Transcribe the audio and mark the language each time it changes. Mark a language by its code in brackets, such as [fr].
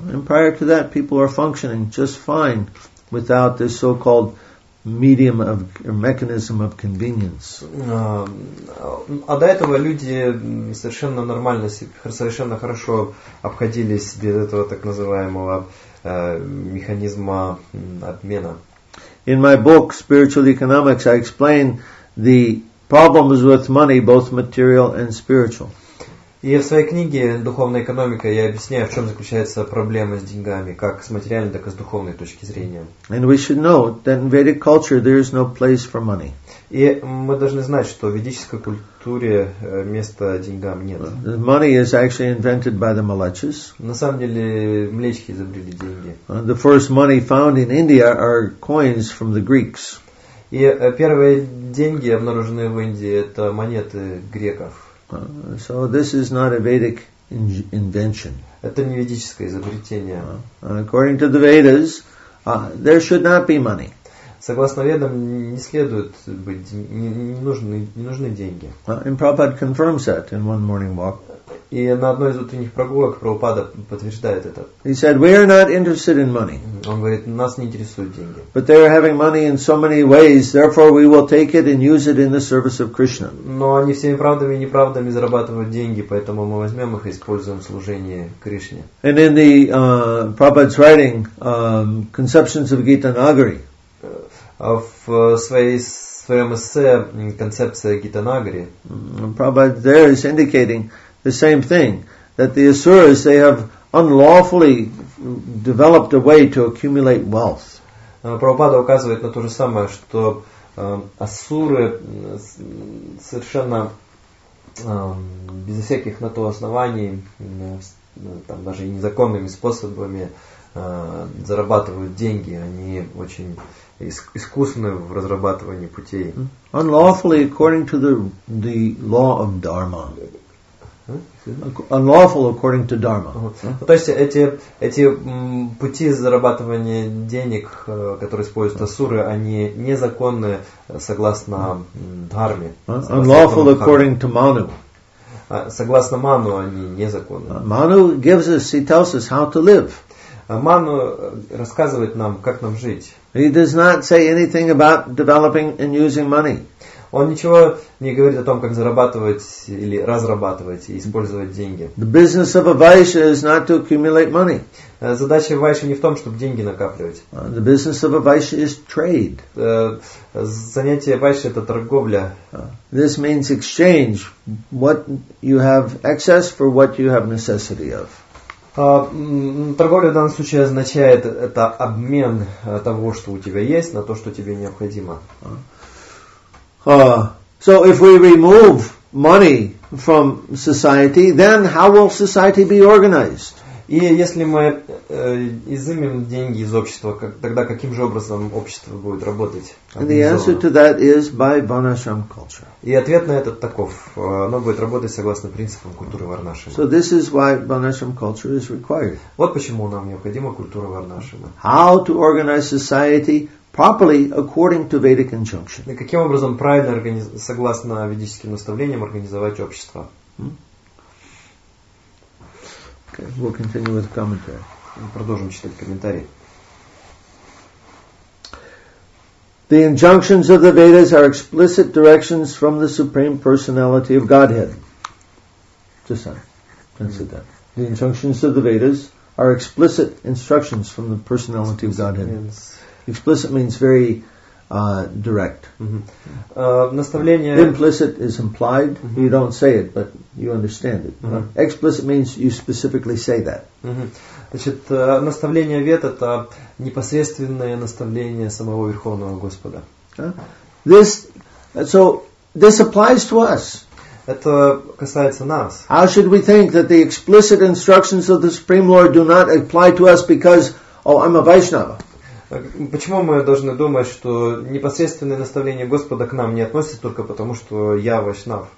[en] And prior to that, people are functioning just fine without this so-called medium of or mechanism of convenience. [ru] А до этого люди совершенно нормально, совершенно хорошо обходились без этого так называемого механизма обмена. [en] In my book Spiritual Economics, I explain the problems with money, both material and spiritual. [ru] И в своей книге «Духовная экономика» я объясняю, в чем заключается проблема с деньгами, как с материальной, так и с духовной точки зрения. [en] And we should know that in Vedic culture there is no place for money. [ru] И мы должны знать, что в ведической культуре места деньгам нет. [en] Money is actually invented by the Mlechas. [ru] На самом деле, Млечки изобрели деньги. [en] The first money found in India are coins from the Greeks. [ru] И первые деньги, обнаруженные в Индии, это монеты греков. [en] So this is not a Vedic invention. [ru] Это не ведическое изобретение. [en] According to the Vedas, there should not be money. [ru] Согласно Ведам, не следует быть, не нужны деньги. [en] And Prabhupada confirms that in one morning walk. [ru] И на одной из утренних прогулок Прабхупада подтверждает это. [en] He said, we are not interested in money. [ru] Он говорит, нас не интересуют деньги. [en] But they are having money in so many ways, therefore we will take it and use it in the service of Krishna. [ru] Но они всеми правдами и неправдами зарабатывают деньги, поэтому мы возьмем их и используем в служении Кришне. [en] And in the Prabhupada's writing, Conceptions of Gita Nagari. [ru] В своем эссе «Концепция Гита Нагари». [en] Prabhupada there is indicating the same thing, that the asuras, they have unlawfully developed a way to accumulate wealth. [ru] Прабхупада указывает на то же самое, что асуры совершенно безо всяких на то оснований, там даже и незаконными способами зарабатывают деньги. Они очень искусны в разрабатывании путей. [en] Unlawfully, according to the law of dharma. Unlawful according to dharma. [ru] То есть эти пути зарабатывания денег, которые используют асуры, они незаконны согласно дхарме. [en] Unlawful according to manu. [ru] Согласно ману, они незаконны. [en] Manu gives us, he tells us how to live. [ru] Ману рассказывает нам, как нам жить. [en] He does not say anything about developing and using money. [ru] Он ничего не говорит о том, как зарабатывать или разрабатывать и использовать деньги. [en] The business of a vaishya is not to accumulate money. [ru] Задача вайши не в том, чтобы деньги накапливать. [en] The business of a vaishya is trade. [ru] Занятие вайши — это торговля. [en] This means exchange what you have excess for what you have necessity of. [ru] Торговля в данном случае означает это обмен того, что у тебя есть, на то, что тебе необходимо. [en] So if we remove money from society, then how will society be organized? [ru] И если мы изымем деньги из общества, тогда каким же образом общество будет работать? [en] And the answer to that is by Varnashram culture. [ru] И ответ на этот таков. Оно будет работать согласно принципам культуры Варнашрама. [en] So this is why Varnashram culture is required. [ru] Вот почему нам необходима культура Варнашрама. [en] How to organize society properly according to Vedic injunction. [ru] И каким образом правильно согласно ведическим наставлениям организовать общество? [en] Okay, we'll continue with the commentary. [ru] Продолжим читать комментарий. [en] The injunctions of the Vedas are explicit directions from the Supreme Personality of Godhead. Just say, consider that. The injunctions of the Vedas are explicit instructions from the Personality of Godhead. Explicit means very direct. [ru] Наставление. [en] Implicit is implied. Mm-hmm. You don't say it, but you understand it. Mm-hmm. Explicit means you specifically say that. Mm-hmm. [ru] Значит, наставление Вед — это непосредственное наставление самого Верховного Господа. [en] This applies to us. [ru] Это касается нас. [en] How should we think that the explicit instructions of the Supreme Lord do not apply to us because, oh, I'm a Vaishnava? [ru] Почему мы должны думать, что непосредственные наставления Господа к нам не относятся только потому, что я вайшнав?